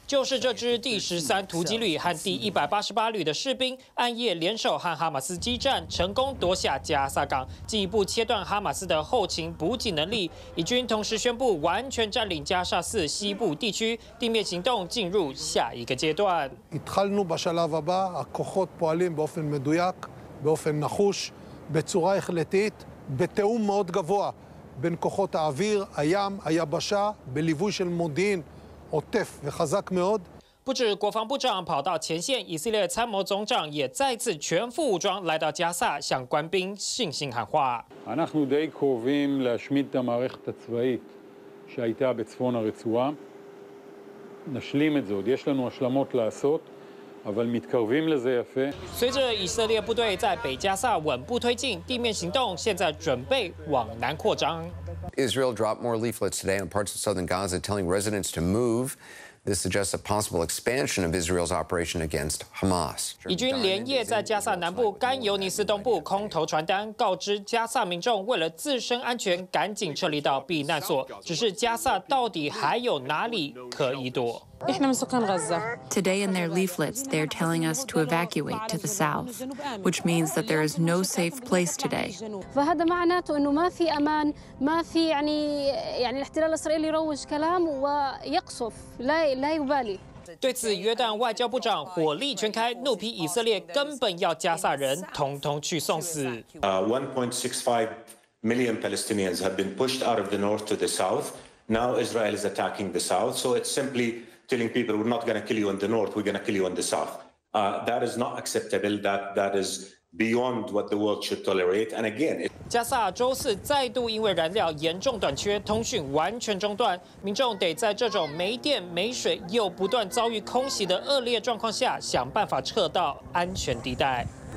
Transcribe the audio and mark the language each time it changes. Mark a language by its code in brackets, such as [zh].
[zh] 就是这支第13突击旅和第188旅的士兵暗夜联手和哈马斯激战，成功夺下加萨港，进一步切断哈马斯的后勤补给能力。以军同时宣布完全占领加萨市西部地区，地面行动进入下一个阶段。 [he] התחלנו בשלב הבא, הכוחות פועלים באופן מדויק, באופן נחוש, בצורה החלטית, בתאום מאוד גבוה בין כוחות האוויר, הים, היבשה, בליווי של מודיעין עוטף וחזק מאוד. [zh] 不止国防部长跑到前线，以色列参谋总长也再次全副武装来到加萨，向官兵信心喊话。 [he] אנחנו די קרובים להשמיד את המערכת הצבאית שהייתה בצפון הרצועה. נשלים את זה, עוד יש לנו השלמות לעשות. אבל מתקרבים לזה יפה. [zh] 随着以色列部队在北加萨稳步推进，地面行动现在准备往南扩张。 [en] Israel dropped more leaflets today on parts of southern Gaza, telling residents to move. This suggests a possible expansion of Israel's operation against Hamas. [zh] 以军连夜在加萨南部甘尤尼斯东部空投传单，告知加萨民众为了自身安全，赶紧撤离到避难所。只是加萨到底还有哪里可以躲？ [en] Today in their leaflets, they are telling us to evacuate to the south, which means that there is no safe place today. [ar] وهذا معناته إنه ما في أمان, ما في يعني الاحتلال الإسرائيلي يروج كلام ويقصف, لا يبالي. [zh] 对此，约旦外交部长火力全开，怒批以色列根本要加萨人统统去送死。 [en] 1.65 million Palestinians have been pushed out of the north to the south. Now Israel is attacking the south, so it's simply. Telling people we're not going to kill you in the north, we're going to kill you in the south. That is not acceptable. That is beyond what the world should tolerate. And again, [zh] 加萨周四再度因为燃料严重短缺，通讯完全中断，民众得在这种没电、没水又不断遭遇空袭的恶劣状况下，想办法撤到安全地带。